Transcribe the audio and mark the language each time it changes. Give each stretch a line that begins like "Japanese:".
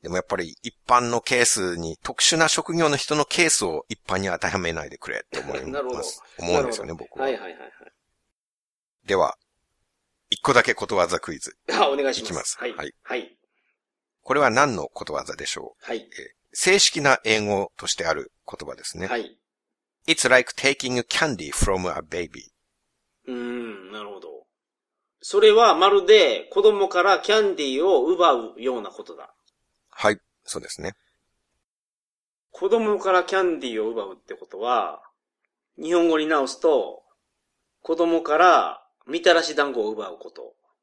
Japanese: でもやっぱり一般のケースに特殊な職業の人のケースを一般に当てはめないでくれって思います。なるほど。思うんですよね、僕は。はいはいはいはい。では、一個だけことわざクイズ。あ、お願いします。いきます。はい。はい。はい。これは何のことわざでしょう。はい。正式な英語としてある言葉ですね。はい。
English: It's like taking candy from a baby.
Japanese: なるほど。それはまるで子供からキャンディーを奪うようなことだ。はい、そうですね。子供からキャンディーを奪うってことは、日本語に直すと、子供からみたらし団子を奪うこと。